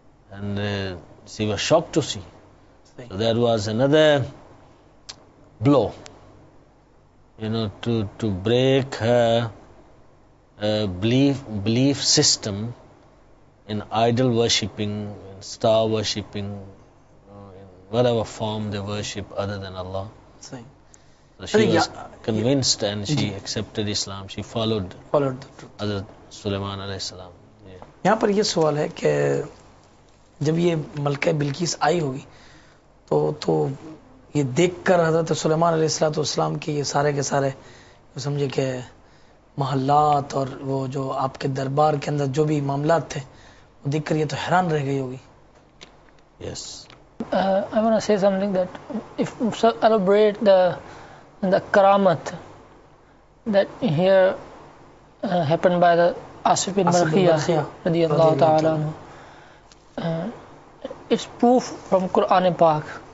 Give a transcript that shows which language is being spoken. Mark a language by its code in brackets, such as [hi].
[en] And she was shocked to see. So that was another blow, you know, to break her belief system in idol worshipping, in star worshipping, in whatever form they worship other than Allah. So she was convinced and she accepted Islam. She followed the truth. Hazrat Sulaiman alayhi salam. [hi] यहाँ पर ये सवाल है कि जब ये मलके बिल्किस आई होगी तो ये देख कर हजरत सुलेमान अलैहिस्सलाम के ये सारे के सारे समझे के महल्लात और वो जो आपके दरबार के अंदर जो भी मामलात थे वो देख कर ये तो हैरान रह गई होगी. Yes. [en] I want to say something that if celebrate the karamat that here happened by the Asif bin Balkhiyah radiyallahu ta'ala anhu, it's proof from Quran Pak.